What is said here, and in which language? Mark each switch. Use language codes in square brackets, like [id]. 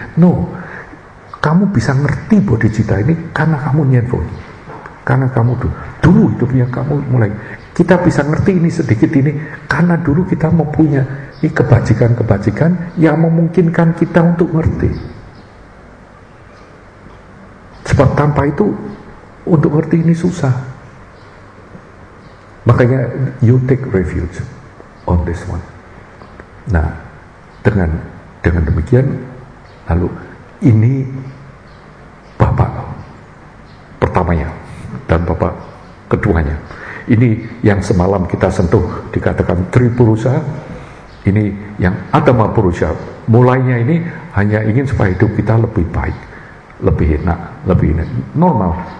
[id] No, kamu bisa ngerti bodhicitta ini karena kamu nianfu, karena kamu dulu hidupnya kamu mulai. Kita bisa ngerti ini sedikit ini karena dulu kita mempunyai kebajikan-kebajikan yang memungkinkan kita untuk ngerti. Sebab tanpa itu, untuk ngerti ini susah. [en] Makanya, you take refuge on this one. [id] Nah, dengan demikian, lalu ini Bapak pertamanya dan Bapak keduanya. Ini yang semalam kita sentuh, dikatakan Tripurusa. Ini yang Atma Purusa. Mulainya ini hanya ingin supaya hidup kita lebih baik, lebih enak, lebih enak, normal.